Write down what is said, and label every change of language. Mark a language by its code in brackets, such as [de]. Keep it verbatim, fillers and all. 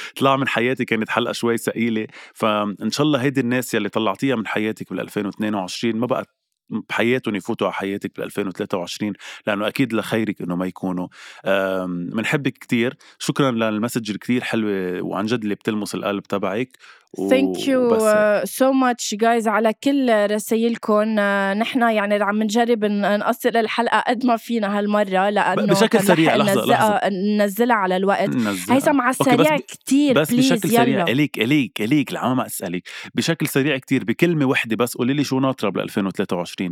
[ar] تطلع من حياتي كانت حلقة شوي ثقيلة، فإن شاء الله هيدي الناس اللي طلعتيها من حياتك بالألفين واثنين وعشرين ما بقى بحياتهم يفوتوا على حياتك بالألفين وثلاثة وعشرين، لأنه أكيد لخيرك إنه ما يكونوا. منحبك كتير، شكرا للمسج الكتير حلوة وعن جد اللي بتلمس القلب تبعك. [en] Thank you so much guys [ar] على كل رسائلكم. نحن يعني عم نجرب نقصر الحلقة قد ما فينا هالمرة، لأنه بشكل سريع ننزلها على الوقت. هيثم على السريع كتير، بس بليز بشكل يلا. سريع إليك إليك إليك العام أسألك بشكل سريع كتير بكلمة واحدة بس، قولي لي شو ناطرة بالألفين وثلاثة وعشرين.